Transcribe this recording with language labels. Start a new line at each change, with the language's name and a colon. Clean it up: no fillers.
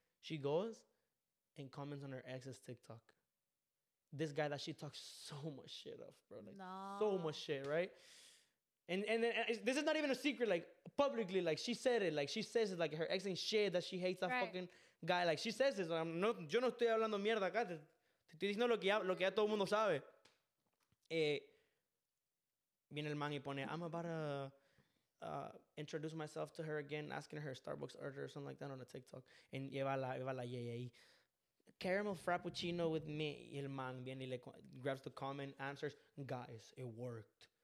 English: She goes and comments on her ex's TikTok. This guy that she talks so much shit of, bro. Like, no. So much shit, right? And this is not even a secret. Like, publicly, like, she said it. Like, she says it. Like, her ex ain't shit that she hates that fucking guy. Like, she says it.
Spanish: Yo no estoy hablando mierda acá. Te estoy diciendo lo que ya todo el mundo sabe. Viene el man y pone,
English: I'm about to introduce myself to her again, asking her Starbucks order or something like that on a TikTok. And
Spanish: lleva la yeye ahí.
English: Caramel frappuccino with me.
Spanish: Y el man viene y le
English: grabs the comment, answers, guys, it worked.